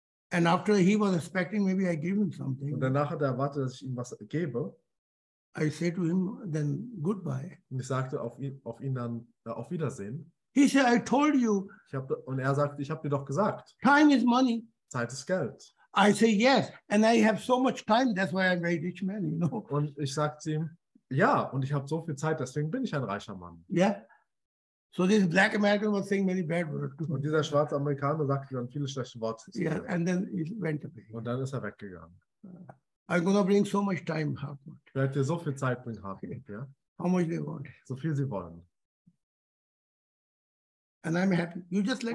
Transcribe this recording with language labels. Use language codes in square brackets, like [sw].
[en] And after he was expecting, maybe I give him something. [de] Und danach hat er erwartet, dass ich ihm was gebe. [en] I said to him, then goodbye. [de] Und ich sagte auf ihn dann auf Wiedersehen. [en] He said, I told you. [de] Und er sagt, ich habe dir doch gesagt. [en] Time is money. [de] Zeit ist Geld. [en] I say yes, and I have so much time. That's why I'm a rich man, you know. [de] Und ich sagte ihm, ja, und ich habe so viel Zeit, deswegen bin ich ein reicher Mann. [en] Yeah. So this black American was saying many bad words. [de] Und dieser schwarze Amerikaner sagte dann viele schlechte Worte. [en] Yeah, and then he went away. [de] Und dann ist er weggegangen. [en] I'm gonna bring so much time, Hartmut. [de] Ich werde dir so viel Zeit bringen, Hartmut. Okay. Ja. [en] How much they want? [de] So viel sie wollen. [en] And I'm happy. You just let